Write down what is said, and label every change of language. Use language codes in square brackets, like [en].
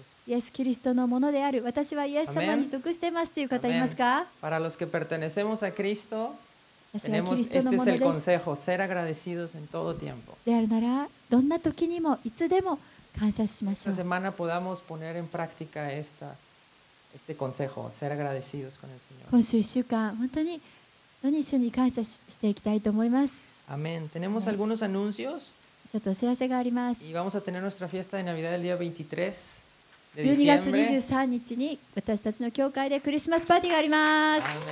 [ja] イエス・キリストのものである。私はイエス様に属していますという方いますか？ [es] Para los que pertenecemos a Cristo tenemos, este es el consejo, ser agradecidos en todo tiempo. [ja] であるなら、どんな時にも、いつでも感謝しましょう。 [es] Esta semana podamos poner en práctica este consejo, ser agradecidos con el Señor. [ja] 今週1週間、本当に土日に感謝していきたいと思います。 [es] Amén. Tenemos algunos anuncios. [ja] ちょっとお知らせがあります。 [es] Y vamos a tener nuestra fiesta de Navidad el día 23 de diciembre. [ja] 12月23日に私たちの教会でクリスマスパーティーがあります。